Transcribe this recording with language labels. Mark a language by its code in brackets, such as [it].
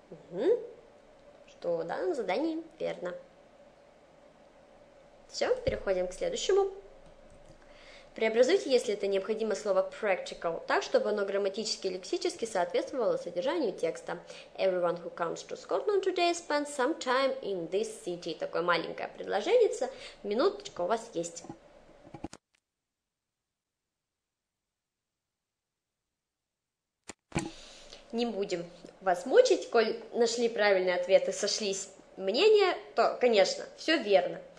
[ru] Что в данном задании верно. Все, переходим к следующему. Преобразуйте, если это необходимо, слово practical так, чтобы оно грамматически и лексически соответствовало содержанию текста. [en] Everyone who comes to Scotland today spends some time in this city. [ru] Такое маленькое предложение. Минуточка у вас есть. Не будем вас мучить, коль нашли правильный ответ и сошлись мнения, то, конечно, все верно.